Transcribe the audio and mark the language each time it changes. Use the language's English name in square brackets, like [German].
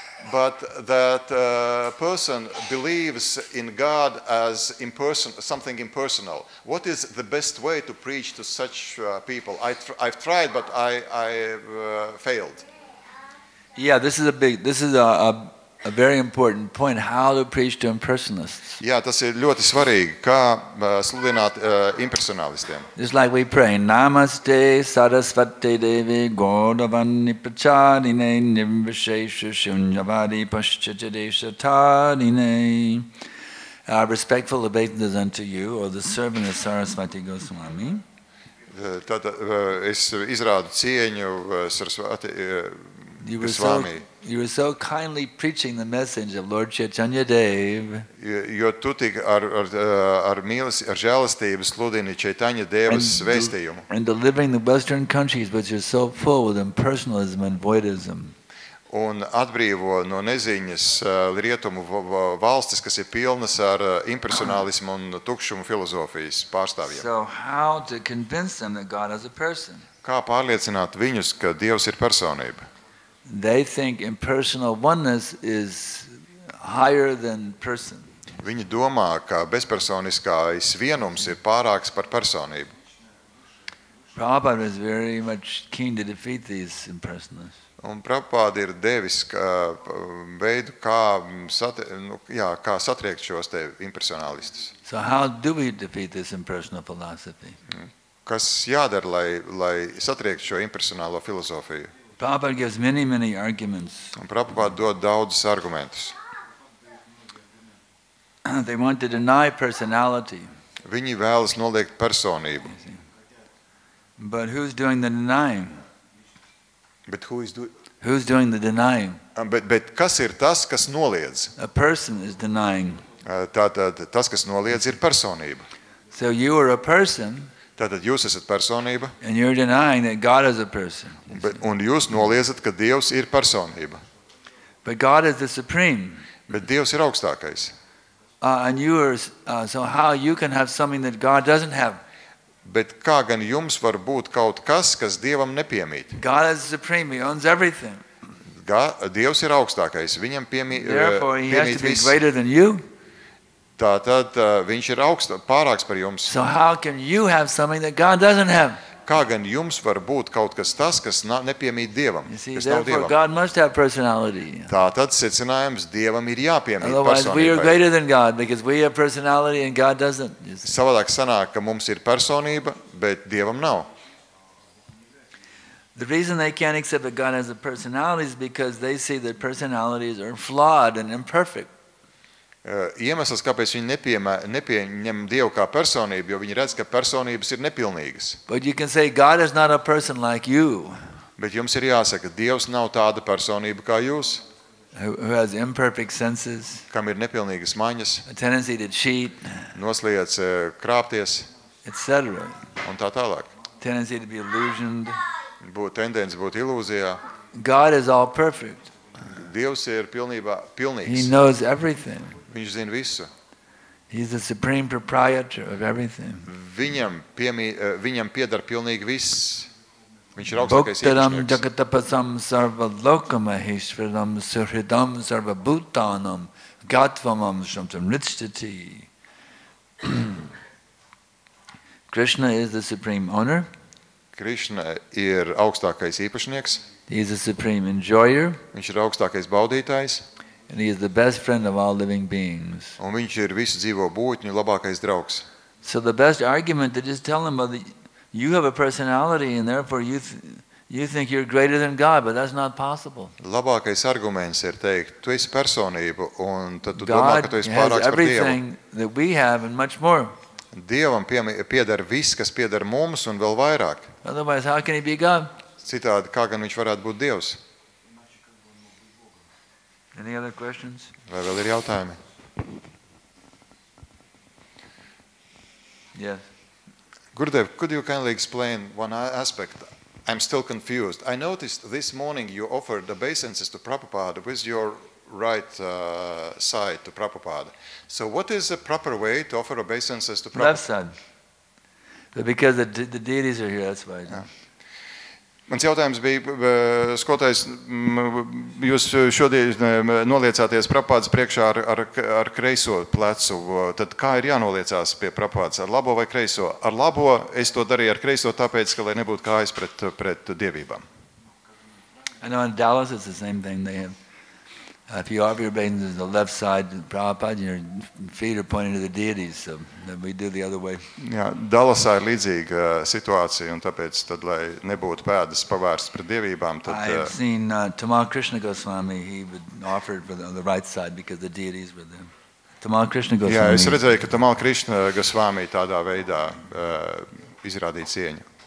[English] But that person believes in God as something impersonal. What is the best way to preach to such people? I've tried, but I failed. Yeah, this is a very important point. How to preach to impersonalists? [Latvian] Yeah, tas ir ļoti svarīgi, kā sludināt impersonalistiem. [English] It's like we pray, [Sanskrit] Namaste, Sarasvati Devi, Gaudavani Pacharine, Nirvishesha Shunyavadi Paschacadesha Tarine. [English] Our respectful obeisances unto you, or the servant of Sarasvati Goswami. [Latvian] Tad es izrādu cieņu Sarasvati Goswami. [English] You were so kindly preaching the message of Lord Chaitanya Dev. [Latvian] Jo tu tik ar mīlestību, ar žēlastību sludini Chaitanya Devas vēstījumu. [English] And delivering the Western countries, which are so full with impersonalism and voidism. [Latvian] Un atbrīvo no neziņas rietumu valstis, kas ir pilnas ar impersonālismu un tukšumu filozofijas pārstāvjiem. [English] So how to convince them that God is a person? [Latvian] Kā pārliecināt viņus, ka Dievs ir personība? [English] They think impersonal oneness is higher than person. [Latvian] Viņi domā, ka bezpersoniskais vienums ir pārāks par personību. [English] Prabhupāda is very much keen to defeat these impersonalists. [Latvian] Un Prabhupāda ir devis veidu, kā satriekt šos te impersonalistus. [English] So how do we defeat this impersonal philosophy? [Latvian] Kas jādara, lai satriekt šo impersonālo filozofiju? [English] Prabhupada gives many, many arguments. [Latvian] Prabhupada dod daudzus argumentus. [English] They want to deny personality. [Latvian] Viņi vēlas noliegt personību. [English] But who's doing the denying? But who is doing? Who's doing the denying? But [Latvian] kas ir tas, kas noliedz? [English] A person is denying. [Latvian] Tātad tas, kas noliedz, ir personība. [English] So you are a person. [Latvian] Tātad jūs esat personība. [English] And you're denying that God is a person. [Latvian] Un jūs noliedzat, ka Dievs ir personība. [English] But God is the supreme. [Latvian] Bet Dievs ir augstākais. [English] And you are so how you can have something that God doesn't have? [Latvian] Bet kā gan jums var būt kaut kas, kas Dievam nepiemīt? [English] God is supreme, he owns everything. [Latvian] Dievs ir augstākais, viņam piemīt viss. [English] Greater than you. [Latvian] Tātad viņš ir augsts, pārāks par jums. [English] So how can you have something that God doesn't have? [Latvian] kā gan jums var būt kaut kas tas, kas nepiemīt Dievam, kas nav Dievam. Tātad secinājums Dievam ir jāpiemīt personībai. Savādāk sanāk, ka mums ir personība, bet Dievam nav. [English] The reason they can't accept that God has a personality is because they see that personalities are flawed and imperfect. [Latvian] Iemesls, kāpēc viņi nepieņem Dievu kā personību, jo viņi redz, ka personības ir nepilnīgas. [English] But you can say God is not a person like you. [Latvian] Bet jums ir jāsaka, Dievs nav tāda personība kā jūs. [English] Who has imperfect senses? [Latvian] Kam ir nepilnīgas maņas? [English] A tendency to cheat. [Latvian] Nosliedz krāpties. [English] Etc. [Latvian] Un tā tālāk. [English] A tendency to be illusioned. [Latvian] Būt tendence būt ilūzijā. [English] God is all perfect. [Latvian] Dievs ir pilnībā pilnīgs. [English] He knows everything. [Latvian] Viņš zina visu. [English] He is the supreme proprietor of everything. [Latvian] Viņam pieder pilnīgi viss. Viņš ir augstākais īpašnieks. [Sanskrit] Jagatapasam sarvalokamaheshvaram surhidam sarvabhutanam gatvamam shamtam nitshtati. [English] Krishna is the supreme owner. [Latvian] Krishna ir augstākais īpašnieks. [English] He is the supreme enjoyer. [Latvian] Viņš ir augstākais baudītājs. [English] And he is the best friend of all living beings. [Latvian] Un viņš ir visu dzīvo būtņu labākais draugs. [English] So the best argument that is telling about you have a personality and therefore you think you're greater than God, but that's not possible. [Latvian] Labākais arguments ir teikt, tu esi personība un tad tu domā, ka tu esi pārāks par Dievu. [English] God has everything that we have and much more. [Latvian] Dievam pieder viss, kas pieder mums un vēl vairāk. [English] Otherwise, how can he be God? [Latvian] Citādi, kā gan viņš varētu būt Dievs? [English] Any other questions? [Latvian] Vai vēl ir jautājumi? [English] Yes. Gurudev, could you kindly explain one aspect? I'm still confused. I noticed this morning you offered the obeisances to Prabhupada with your right side to Prabhupada. So what is the proper way to offer obeisances to Prabhupada? Left side. But because the deities are here, that's why. [Latvian] Mans jautājums bija, skotais, jūs šodien noliecāties Prabhupādas priekšā ar kreiso plecu, tad kā ir jānoliecās pie Prabhupādas, ar labo vai kreiso? Ar labo es to darīju ar kreiso tāpēc, ka lai nebūtu kājas pret dievībām. [English] I know in Dallas it's the same thing. They have, if you offer your obeisances on the left side of Prabhupāda, your feet are pointing to the deities, so that we do the other way. [Latvian] Jā, Dallasā ir līdzīga situācija, un tāpēc, tad, lai nebūtu pēdas pavērstas pret dievībām, tad... [English] I have seen Tamal Krishna Goswami, he would offer it on the right side because the deities were there. [Latvian] Tamal Krishna Goswami. Jā, es redzēju, ka Tamal Krishna Goswami tādā veidā izrādīja cieņu.